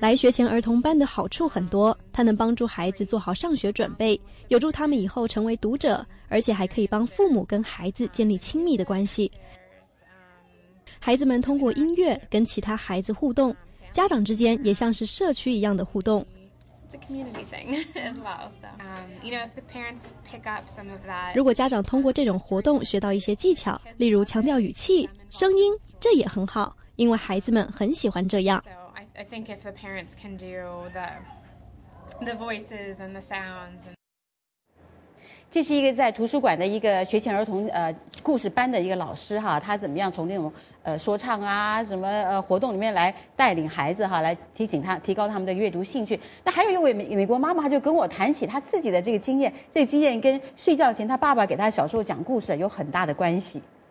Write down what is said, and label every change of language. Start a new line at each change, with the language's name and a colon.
Chinese: 来学前儿童班的好处很多，它能帮助孩子做好上学准备，有助他们以后成为读者，而且还可以帮父母跟孩子建立亲密的关系。孩子们通过音乐跟其他孩子互动，家长之间也像是社区一样的互动。
English: It's a community thing as well. So, if the parents pick up some of that.
Chinese: 如果家长通过这种活动学到一些技巧，例如强调语气、声音，这也很好，因为孩子们很喜欢这样。
English: So, I think if the parents can do the voices and the sounds.
Chinese: 这是一个在图书馆的一个学前儿童故事班的一个老师哈，他怎么样从那种说唱啊什么活动里面来带领孩子哈，来提醒他提高他们的阅读兴趣。那还有一位美国妈妈，她就跟我谈起她自己的这个经验，这个经验跟睡觉前她爸爸给她小时候讲故事有很大的关系。